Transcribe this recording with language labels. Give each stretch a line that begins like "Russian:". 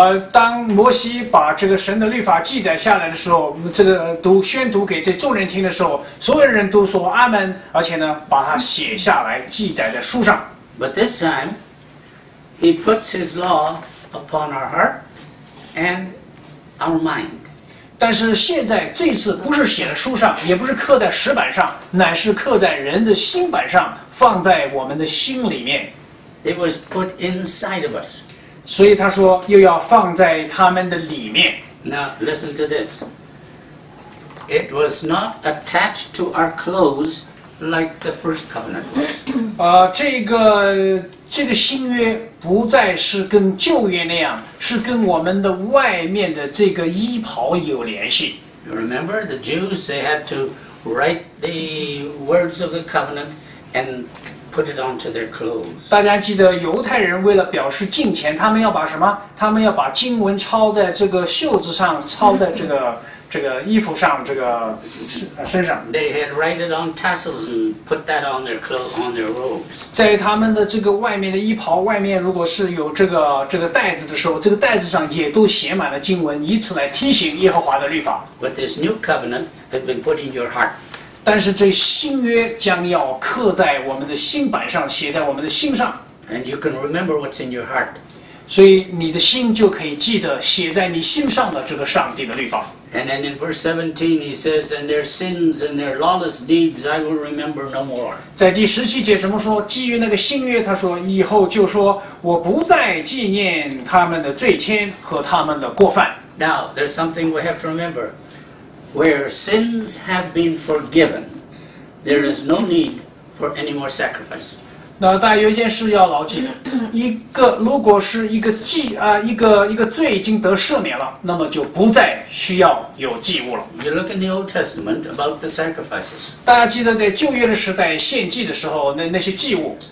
Chinese: 当摩西把这个神的律法记载下来的时候，这个宣读给这众人听的时候，所有人都说阿门，而且呢，把它写下来，记载在书上。
English: But this time, he puts his law upon our heart and our mind.
Chinese: 但是现在这次不是写在书上，也不是刻在石板上，乃是刻在人的心板上，放在我们的心里面。
English: It was put inside of us.
Chinese: 所以他说又要放在他们的里面。
English: Now listen to this. It was not attached to our clothes. Like the first covenant was.
Chinese: 这个新约不再是跟旧约那样，是跟我们的外面的这个衣袍有联系。
English: You remember the Jews? They had to write the words of the covenant and put it onto their clothes.
Chinese: 大家记得犹太人为了表示敬虔，他们要把什么？他们要把经文抄在这个袖子上，抄在这个。这个衣服上，这个身上。
English: They had written on tassels and put that on their clothes, on their robes.
Chinese: 在他们的这个外面的衣袍外面，如果是有这个袋子的时候，这个袋子上也都写满了经文，以此来提醒耶和华的律法。
English: But this new covenant has been put in your heart.
Chinese: 但是这新约将要刻在我们的心板上，写在我们的心上。
English: And you can remember what's in your heart.
Chinese: 所以你的心就可以记得写在你心上的这个上帝的律法。
English: And then in verse 17, he says, "And their sins and their lawless deeds, I will remember no more."
Chinese: 在第十七节怎么说？基于那个新约，他说以后就说我不再纪念他们的罪愆和他们的过犯。
English: Now, there's something we have to remember. Where sins have been forgiven, there is no need for any more sacrifice.
Chinese: 那大家有一件事要牢记，一个如果是一个祭啊，一个罪已经得赦免了，那么就不再需要有祭物了。
English: You look in the Old Testament about the sacrifices.
Chinese: 大家记得在旧约的时代献祭的时候，那些祭物。